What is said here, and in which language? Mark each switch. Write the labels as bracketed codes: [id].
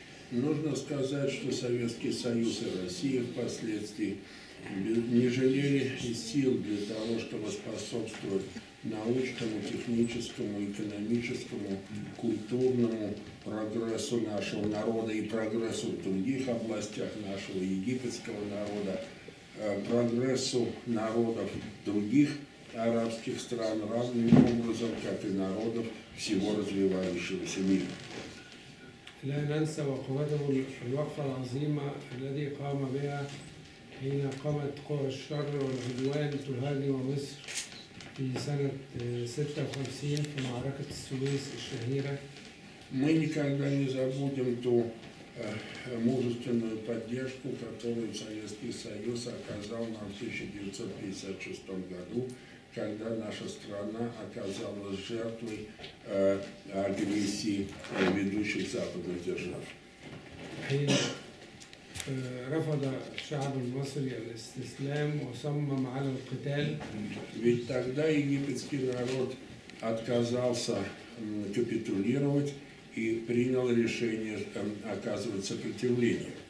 [ru] Нужно сказать, что Советский Союз и Россия впоследствии не жалели сил для того, чтобы способствовать научному, техническому, экономическому, культурному прогрессу нашего народа и прогрессу в других областях нашего египетского народа, прогрессу народов других арабских стран равным образом, как и народов всего развивающегося мира. [ar] لا ننسى وقفته الوقفة العظيمة الذي قام بها حين قامت قوى الشر والعدوان تهاجم مصر في سنة 56 في معركة السويس الشهيرة. [ru] Мы никогда не забудем ту мужественную поддержку, которую Советский Союз оказал нам в 1956 году, когда наша страна оказалась жертвой агрессии ведущих западных держав. [ar] رفض الشعب المصري الاستسلام وصمم على القتال. [ru] ведь тогда египетский народ отказался капитулировать и принял решение оказывать сопротивление.